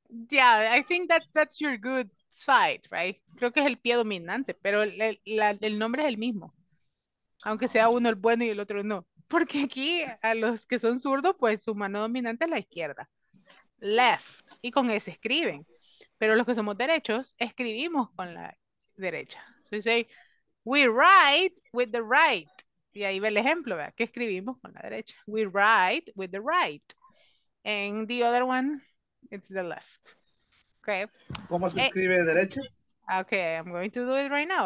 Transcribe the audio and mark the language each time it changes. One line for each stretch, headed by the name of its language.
English: Yeah, I think that's your good side, right?
Spanish: Creo que es el pie dominante, pero el nombre es el mismo. Aunque sea uno el bueno y el otro no. Porque aquí, a los que son zurdos, pues su mano dominante es la izquierda. Left. Y con ese escriben. Pero los que somos derechos, escribimos con la derecha.
English: So you say, we write with the right.
Spanish: Y ahí ve el ejemplo, ¿verdad? Que escribimos con la derecha.
English: We write with the right. And the other one, it's the left. Okay.
Spanish: ¿Cómo se escribe de derecha?
English: Okay, I'm going to do it right now.